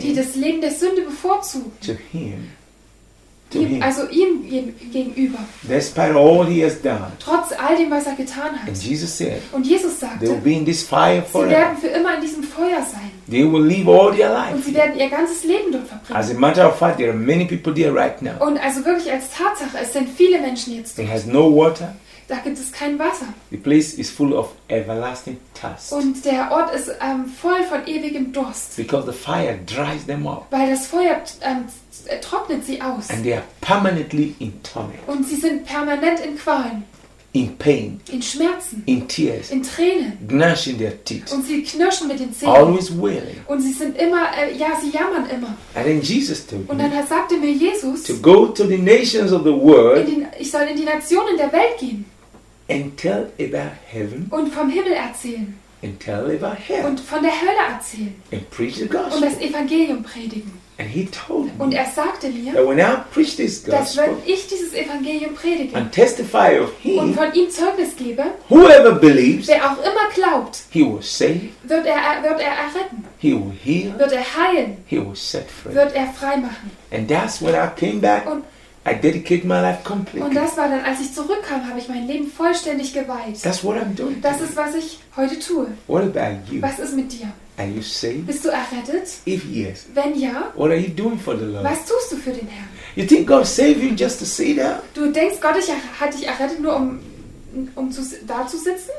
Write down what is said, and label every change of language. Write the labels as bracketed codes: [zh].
[de] Die das Leben der Sünde bevorzugen. [en] To him. [de] Also ihm gegenüber. [en] Despite all he has done. [de] Trotz all dem, was er getan hat. [en] And Jesus said, [de] und Jesus sagte, [en] they will be in this fire forever. [de] Sie werden für immer in diesem Feuer sein. [en] They will live all their life. [de] Und sie werden ihr ganzes Leben dort verbringen. [en] As a matter of fact, there are many people there right now. [de] Und also wirklich als Tatsache, es sind viele Menschen jetzt dort. [en] It has no water. [de] Da gibt es kein Wasser. [en] The place is full of everlasting thirst. [de] Und der Ort ist voll von ewigem Durst. [en] Because the fire dries them up. [de] Weil das Feuer trocknet sie aus. [en] And they are permanently in torment. [de] Und sie sind permanent in Qualen. [en] In pain. [de] In Schmerzen. [en] In tears. [de] In Tränen. [en] Gnashing their teeth. [de] Und sie knirschen mit den Zähnen. [en] Always wailing. [de] Und sie sind immer, sie jammern immer. [en] And then Jesus told me. [de] Und dann sagte mir Jesus. [en] To go to the nations of the world. [de] Ich soll in die Nationen der Welt gehen. [en] And tell about heaven. [de] Und vom Himmel erzählen. [en] And tell about hell. [de] Und von der Hölle erzählen. [en] And preach the gospel. [de] Und das Evangelium predigen. [en] And he told [de] und er sagte mir, [en] that when I preach this gospel, [de] dass wenn ich dieses Evangelium predige [en] and testify of him, [de] und von ihm Zeugnis gebe, [en] whoever believes, [de] wer auch immer glaubt, [en] he will save, [de] wird er erretten. [en] He will heal, [de] wird er heilen. [en] He will set free, [de] wird er frei machen. [en] And that's when I came back, [de] und [en] I dedicated my life completely. [de] Und das war dann, als ich zurückkam, habe ich mein Leben vollständig geweiht. [en] That's what I'm doing. [de] Das ist, was ich heute tue. [en] What about you? [de] Was ist mit dir? [en] Are you saved? [de] Bist du errettet? [en] If yes. [de] Wenn ja. [en] What are you doing for the Lord? [de] Was tust du für den Herrn? [en] You think God saved you just to sit there? [de] Du denkst, Gott hat dich errettet nur um da zu sitzen?